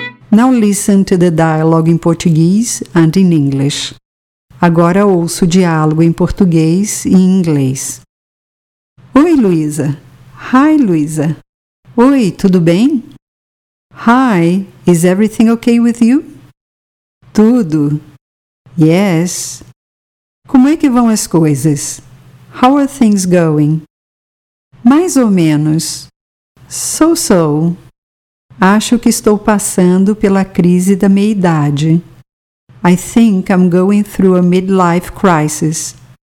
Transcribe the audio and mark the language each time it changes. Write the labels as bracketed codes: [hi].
[en] Now listen to the dialogue in Portuguese and in English. [pt] Agora ouço o diálogo em português e em inglês. Oi, Luisa. [en] Hi, Luisa. [pt] Oi, tudo bem? [en] Hi, is everything okay with you? [pt] Tudo. [en] Yes. [pt] Como é que vão as coisas? [en] How are things going? [pt] Mais ou menos. [en] So-so. [pt] Acho que estou passando pela crise da meia-idade. [en] I think I'm going through a midlife crisis.